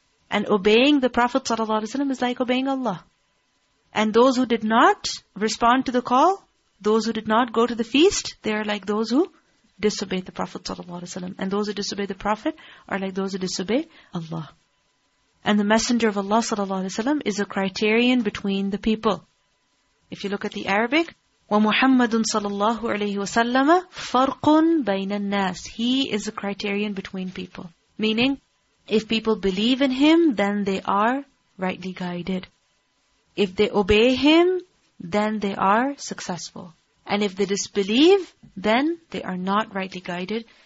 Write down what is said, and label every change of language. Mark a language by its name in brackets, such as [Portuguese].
[English] And obeying the Prophet ﷺ is like obeying Allah. And those who did not respond to the call, those who did not go to the feast, they are like those who disobeyed the Prophet ﷺ. And those who disobey the Prophet are like those who disobey Allah. And the Messenger of Allah ﷺ is a criterion between the people. If you look at the Arabic, [Arabic] وَمُحَمَّدٌ صَلَى اللَّهُ عَلَيْهِ وَسَلَّمَ فَرْقٌ بَيْنَ النَّاسِ. [English] He is a criterion between people. Meaning, if people believe in him, then they are rightly guided. If they obey him, then they are successful. And if they disbelieve, then they are not rightly guided.